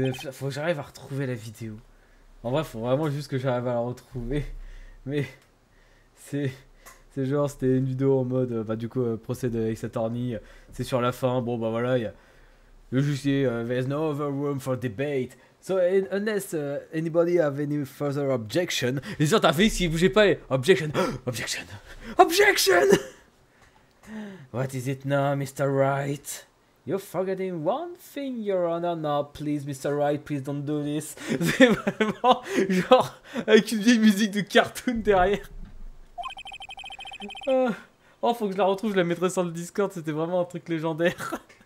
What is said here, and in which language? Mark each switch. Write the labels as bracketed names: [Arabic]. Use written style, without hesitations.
[French] Faut que j'arrive à retrouver la vidéo. En vrai, faut vraiment juste que j'arrive à la retrouver. Mais c'est genre, c'était une vidéo en mode bah du coup procès d'Ace Attorney. C'est sur la fin. Bon bah voilà, y a le juge. [English] There's no other room for debate. So unless anybody have any further objection. [French] Les gens, t'as fait si bougez pas. [English] Objection. Objection. Objection. What is it now, Mr. Wright? You're forgetting one thing, Your Honor. No, please, Mr. Wright, please don't do this. [French] C'est vraiment genre avec une vieille musique de cartoon derrière. Oh, faut que je la retrouve, je la mettrai sur le Discord, c'était vraiment un truc légendaire.